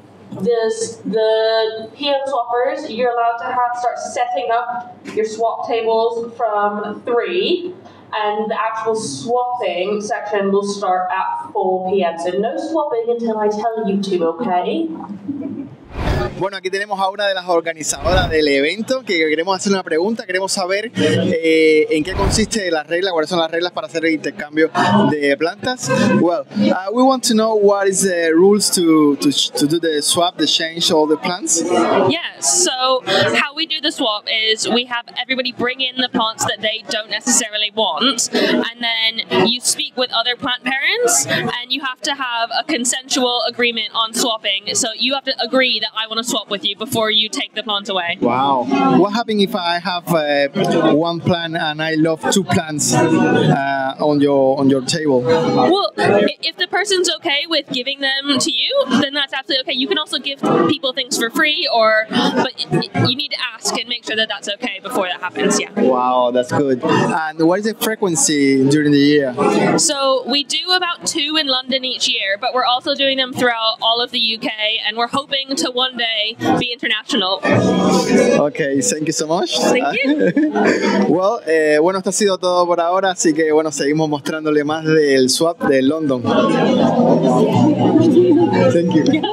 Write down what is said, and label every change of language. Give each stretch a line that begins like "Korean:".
English: The PM swappers, you're allowed to start setting up your swap tables from 3, and the actual swapping section will start at 4 p.m. So no swapping until I tell you to, okay?
Spanish: Bueno, aquí tenemos a una de las organizadoras del evento que queremos hacer una pregunta. Queremos saber en qué consiste la regla, cuáles son las reglas para hacer el intercambio de plantas.
English: Well, we want to know what is the rules to do the swap, the change all the plants. Yeah, so how we do the swap is we have everybody bring in the plants that they don't necessarily want, and then you speak with other plant parents, and you have to have a consensual agreement on swapping. So you have to agree that I want to swap with you before you take the plant away. Wow. What happens if I have one plant and I love two plants on your table? Well, if the person's okay with giving them to you, then that's absolutely okay. You can also give people things for free, but you need to ask and make sure that that's okay before that happens. Yeah. Wow, that's good. And what is the frequency during the year? So we do about 2 in London each year, but we're also doing them throughout all of the UK, and we're hoping to one day be international. Okay, thank you so much. Thank you.
Spanish: Well, bueno, esto ha sido todo por ahora, así que bueno, seguimos mostrándole más del swap de London.
English: Thank you.